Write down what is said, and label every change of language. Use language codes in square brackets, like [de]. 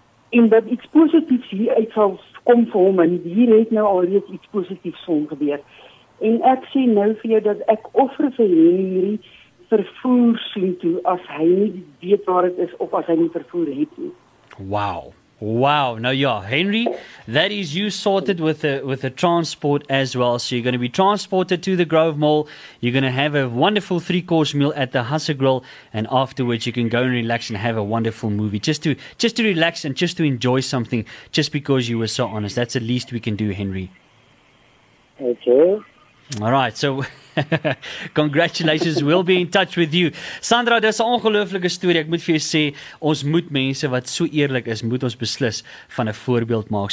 [af] En dat iets positiefs hier uit sal kom vir hom, en hier het nou al reeds iets positiefs vir hom gebeur. En ek sê nou vir jou dat ek offer vir Henry vervoer soen toe, as hy nie weet waar het is, of as hy nie vervoer het nie. [en] Wow. [af] Nou ja, [en] Henry, that is you sorted with the transport as well. So you're going to be transported to the Grove Mall. You're going to have a wonderful three-course meal at the Hasse Grill. And afterwards, you can go and relax and have a wonderful movie. Just to relax and just to enjoy something just because you were so honest. That's the least we can do, Henry. Okay. All right, so congratulations, we'll be in touch with you. [af] Sandra, dis 'n ongelooflike storie. Ek moet vir jou sê, ons moet mense wat so eerlik is, moet ons beslis van 'n voorbeeld maak.